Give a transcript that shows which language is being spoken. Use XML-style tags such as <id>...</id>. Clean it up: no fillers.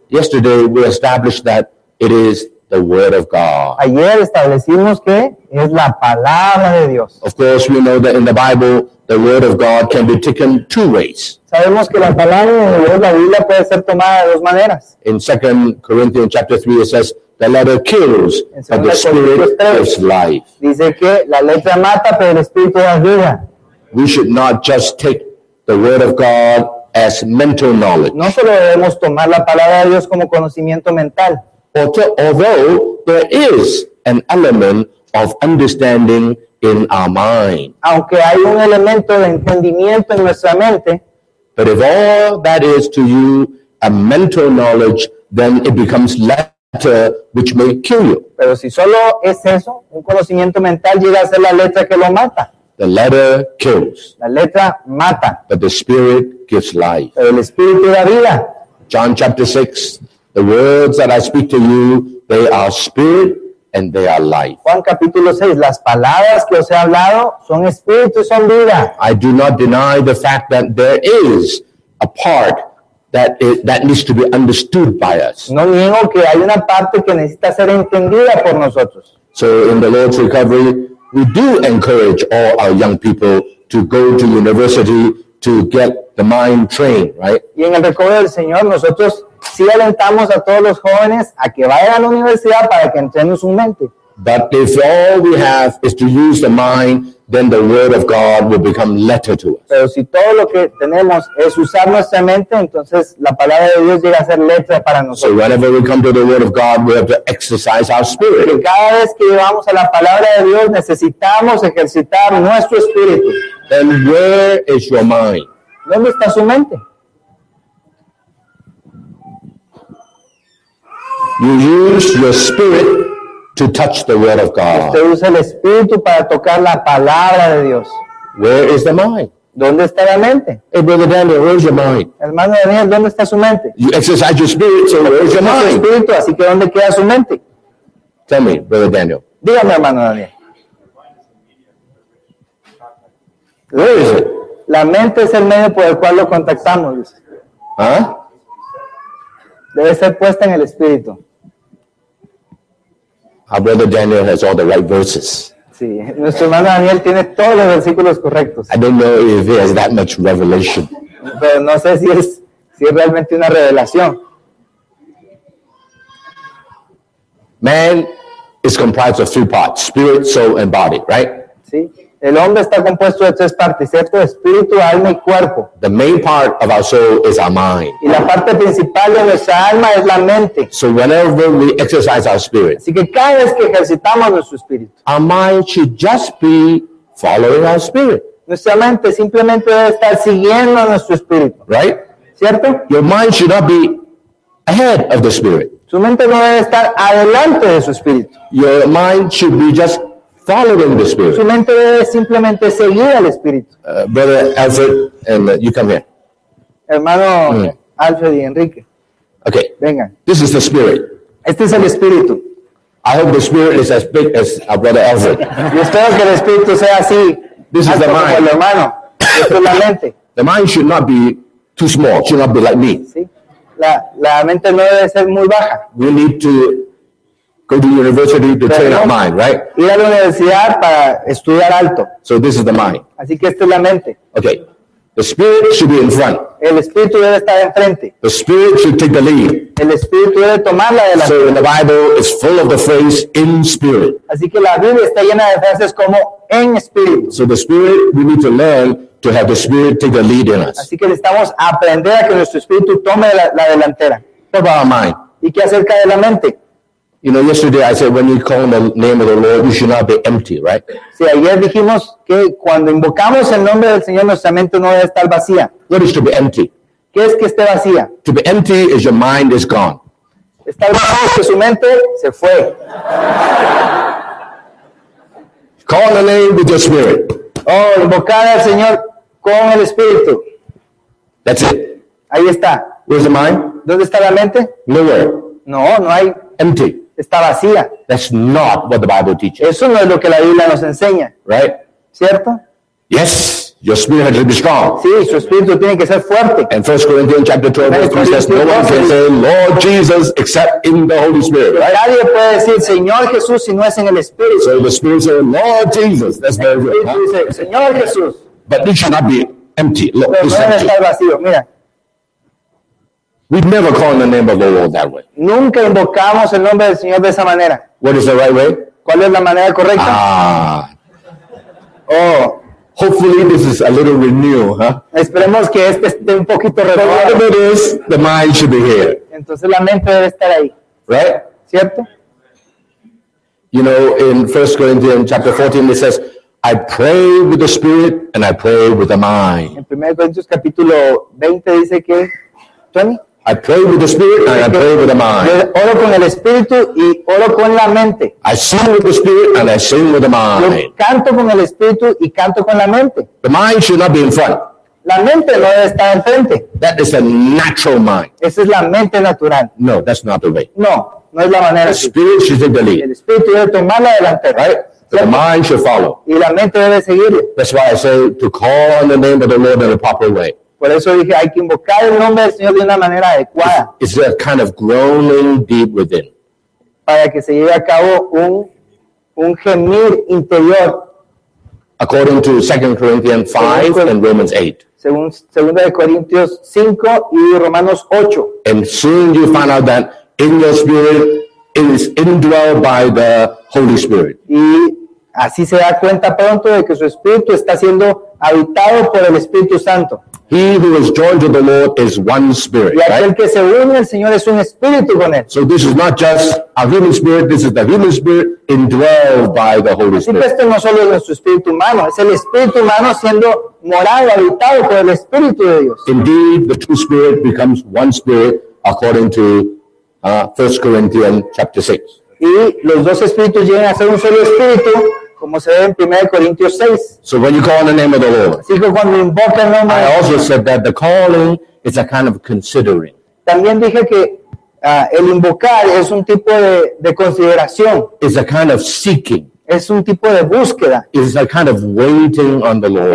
<en>Yesterday we established that it is the Word of God.</en> <es>Ayer establecimos que es la palabra de Dios.</es> <en>Of course, we know that in the Bible, the Word of God can be taken two ways.</en> <es>Sabemos que la palabra de Dios, la Biblia, puede ser tomada de dos maneras.</es> <en>In 2 Corinthians chapter 3, it says, the letter kills, but the Spirit gives life.</en> <es>Dice que la letra mata, pero el Espíritu da vida.</es> <en>We should not just take the Word of God as mental knowledge.</en> <es>No solo debemos tomar la palabra de Dios como conocimiento mental.</es> <en>Although there is an element of understanding in our mind.</en> <es>Aunque hay un elemento de entendimiento en nuestra mente.</es> <en>But if all that is to you a mental knowledge, then it becomes letter which may kill you.</en> <es>Pero si solo es eso, un conocimiento mental, llega a ser la letra que lo mata.</es> <en>The letter kills.</en> <es>La letra mata.</es> <en>But the Spirit gives life.</en> <es>Pero el Espíritu da vida.</es> <en>John chapter 6. The words that I speak to you, they are spirit and they are life.</en> <es>Juan capítulo 6, las palabras que os he hablado son espíritu y son vida.</es> <en>I do not deny the fact that there is a part that needs to be understood by us.</en> <es>No niego que hay una parte que necesita ser entendida por nosotros.</es> <en>So in the Lord's recovery, we do encourage all our young people to go to university to get the mind trained, right?</en> <es>Y en el recuerdo del Señor, nosotros sí alentamos a todos los jóvenes a que vayan a la universidad para que entrenen su mente.</es> <en>But if all we have is to use the mind, then the Word of God will become letter to us.</en> <es>Pero si todo lo que tenemos es usar nuestra mente, entonces la palabra de Dios llega a ser letra para nosotros.</es> <en>So whenever we come to the Word of God, we have to exercise our spirit.</en> <es>Y cada vez que llevamos a la palabra de Dios, necesitamos ejercitar nuestro espíritu.</es> <en>Then where is your mind?</en> <es>¿Dónde está su mente?</es> <en>You use your spirit to touch the Word of God.</en> <es>Usted usa el espíritu para tocar la palabra de Dios.</es> <en>Where is the mind?</en> <es>¿Dónde está la mente?</es> <en>Hey, Brother Daniel, where is your mind?</en> <es>Hermano Daniel, ¿dónde está su mente?</es> <en>You exercise your spirit, so where is your mind?</en> <es>El espíritu, así que ¿dónde queda su mente?</es> <en>Tell me, Brother Daniel.</en> <es>Dígame, hermano Daniel.</es> <en>Where is it?</en> <es>La mente es el medio por el cual lo contactamos. ¿Ah? Debe ser puesta en el espíritu.</es> <en>Our brother Daniel has all the right verses.</en> <es>Sí, nuestro hermano Daniel tiene todos los versículos correctos.</es> <en>I don't know if he has that much revelation.</en> <es>Pero no sé si es realmente una revelación.</es> <en>Man is comprised of three parts: spirit, soul, and body, right?</en> <es>Sí. El hombre está compuesto de tres partes, ¿cierto? Espíritu, alma y cuerpo.</es> <en>The main part of our soul is our mind.</en> <es>Y la parte principal de nuestra alma es la mente.</es> <en>So whenever we exercise our spirit,</en> <es>así que cada vez que ejercitamos nuestro espíritu,</es> <en>our mind should just be following our spirit.</en> <es>Nuestra mente simplemente debe estar siguiendo a nuestro espíritu.</es> <en>Right?</en> <es>¿Cierto?</es> <en>Your mind should not be ahead of the spirit.</en> <es>Su mente no debe estar adelante de su espíritu.</es> <en>Your mind should be just following the spirit.</en> <es>Su mente debe simplemente seguir al espíritu.</es> <en>Brother Alfred, and you come here.</en> <es>Hermano Alfred y Enrique.</es> <en>Okay.</en> <es>Venga.</es> <en>This is the spirit.</en> <es>Este es el espíritu.</es> <en>I hope the spirit is as big as our brother Alfred.</en> <es>Yo espero que el espíritu sea así.</es> <en>This is the mind.</en> <es>El hermano. Esto es la mente.</es> <en>The mind should not be too small. Should not be like me.</en> <es>Sí. La mente no debe ser muy baja.</es> <en>We need to go to university to train our mind, right?</en> <es>Ir a la universidad para estudiar alto.</es> <en>So this is the mind.</en> <es>Así que esta es la mente.</es> <en>Okay. The spirit should be in front.</en> <es>El espíritu debe estar enfrente.</es> <en>The spirit should take the lead.</en> <es>El espíritu debe tomar la delantera.</es> <en>So in the Bible, it's full of the phrase in spirit.</en> <es>Así que la Biblia está llena de frases como en espíritu.</es> <en>So the spirit, we need to learn to have the spirit take the lead in us.</en> <es>Así que necesitamos aprender a que nuestro espíritu tome la delantera.</es> <en>What about our mind?</en> <es>¿Y qué acerca de la mente?</es> <en>You know, yesterday I said when you call the name of the Lord, you should not be empty, right?</en> <es>Sí, ayer dijimos que cuando invocamos el nombre del Señor, nuestra mente no debe estar vacía.</es> <en>What is to be empty?</en> <es>¿Qué es que esté vacía?</es> <en>To be empty is your mind is gone.</en> <es>Estar vacío es que su mente se fue.</es> <en>Call the name with your spirit.</en> <es>Oh, invocar al Señor con el espíritu.</es> <en>That's it.</en> <es>Ahí está.</es> <en>Where's the mind?</en> <es>¿Dónde está la mente?</es> <en>Nowhere.</en> <es>No hay.</es> <en>Empty.</en> <es>Está vacía.</es> <en>That's not what the Bible teaches.</en> <es>Eso no es lo que la Biblia nos enseña.</es> <en>Right?</en> <es>¿Cierto?</es> <en>Yes, your spirit has to be strong.</en> <es>Sí, su espíritu tiene que ser fuerte.</es> <en>And 1 Corinthians chapter 12, verse 3 says, no one can say Lord Jesus except in the Holy Spirit. Right?</en> <es>Nadie puede decir Señor Jesús si no es en el Espíritu.</es> <en>So the Spirit says, Lord Jesus. That's very good.</en> <es>Señor Jesús.</es> <en>But it should not be empty. Look,</en> <es>no debe estar vacío. Mira.</es> <en>We've never called the name of the Lord that way.</en> <es>Nunca invocamos el nombre del Señor de esa manera.</es> <en>What is the right way?</en> <es>¿Cuál es la manera correcta? Ah. Oh.</es> <en>Hopefully this is a little renewed, huh?</en> <es>Esperemos que este esté un poquito renovado.</es> <en>But if it is, the mind should be here.</en> <es>Entonces la mente debe estar ahí.</es> <en>Right?</en> <es>¿Cierto?</es> <en>You know, in 1 Corinthians chapter 14 it says, I pray with the spirit and I pray with the mind.</en> <es>En 1 Corintios capítulo 20 dice que 20?</es> <en>I pray with the spirit and I pray with the mind.</en> <es>Yo oro con el espíritu y oro con la mente.</es> <en>I sing with the spirit and I sing with the mind.</en> <es>Yo canto con el espíritu y canto con la mente.</es> <en>The mind should not be in front.</en> <es>La mente no debe estar enfrente.</es> <en>That is a natural mind.</en> <es>Esa es la mente natural.</es> <en>No, that's not the way.</en> <es>No, no es la manera.</es> <en>The spirit should take the lead.</en> <es>El espíritu debe tomar la delantera.</es> <en>Right? The mind should follow.</en> <es>Y la mente debe seguir.</es> <en>That's why I say to call on the name of the Lord in a proper way.</en> <es>Por eso dije, hay que invocar el nombre del Señor de una manera adecuada.</es> <en>It's a kind of groaning deep within.</en> <es>Para que se lleve a cabo un gemir interior.</es> <en>According to 2 Corinthians 5 and Romans 8.</en> <es>Según 2 Corintios 5 y Romanos 8.</es> <en>And soon you find out that in your spirit it is indwelled by the Holy Spirit.</en> <es>Y así se da cuenta pronto de que su espíritu está siendo habitado por el Espíritu Santo.</es> <en>He who is joined to the Lord is one spirit.</en> <es>Y aquel</es> <en>right?</en> <es>que se une al Señor es un espíritu con él.</es> <en>So this is not just a human spirit. This is the human spirit indwelled by the Holy</en> <es>Así</es> <en>Spirit.</en> <es>Así que esto no solo es nuestro espíritu humano. Es el espíritu humano siendo morado, habitado por el Espíritu de Dios.</es> <en>Indeed, the two spirit becomes one spirit according to 1 Corinthians chapter 6.</en> <es>Y los dos espíritus llegan a ser un solo espíritu. Como se ve en 1 Corintios 6.</es> <en>So when you call on the name of the Lord.</en> <es>Así que cuando invoca el nombre.</es> <en>I also said that the calling is a kind of considering.</en> <es>También dije que el invocar es un tipo de consideración.</es> <en>It's a kind of seeking.</en> <es>Es un tipo de búsqueda.</es> <en>It's a kind of waiting on the Lord.</en>